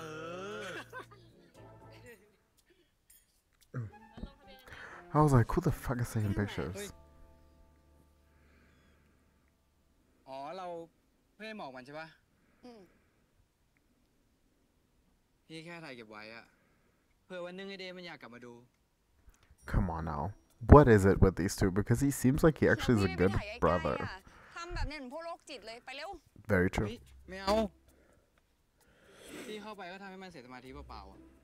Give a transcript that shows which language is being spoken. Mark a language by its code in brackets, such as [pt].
[en] ออ I was like who the fuck is taking pictures [th] อ๋อเราเพื่อนหมอกมันใช่ปะพี่แค่ถ่ายเก็บไว้อะเพื่อวันนึงไอเดมันอยากกลับมาดู [en] Come on now What is it with these two because he seems like he actually is a good brother [th] ทำแบบนี้เหมือนพวกโรคจิตเลยไปเร็ว [en] Very true [th] ไม่เอาพี่เข้าไปก็ทำให้มันเสียสมาธิเปล่าๆอะ